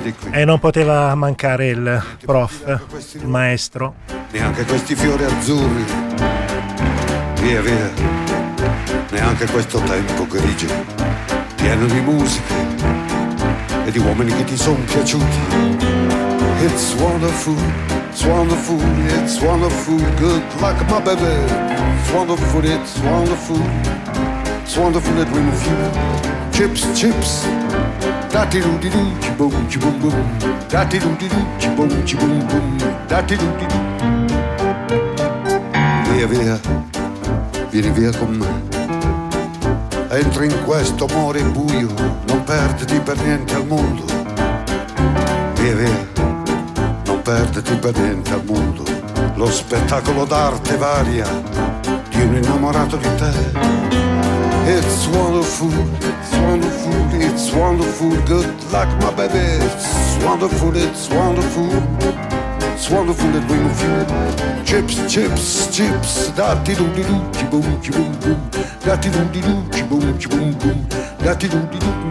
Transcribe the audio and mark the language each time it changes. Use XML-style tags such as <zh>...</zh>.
<it>E non poteva mancare il prof, il maestro. Neanche questi fiori azzurri, via via, neanche questo tempo grigio, pieno di musiche e di uomini che ti sono piaciuti.</it> <en>It's wonderful, it's wonderful, it's wonderful, good luck my baby. It's wonderful, it's wonderful that we're with you. Chips, chips, dati do di di boom di boom boom, dati do di di boom di boom boom, dati do di di.</en> <it>Via via, vieni via con me. Entra in questo amore buio, non perderti per niente al mondo. Via via, non perderti per niente al mondo. Lo spettacolo d'arte varia di un innamorato di te.</it> <en>It's wonderful, it's wonderful, it's wonderful, good luck my baby. It's wonderful, it's wonderful that we move you. Chips, chips, chips, dati do di do, chi boom, chi boom boom, dati do di do, chi boom, chi boom boom, dati do di do.</en>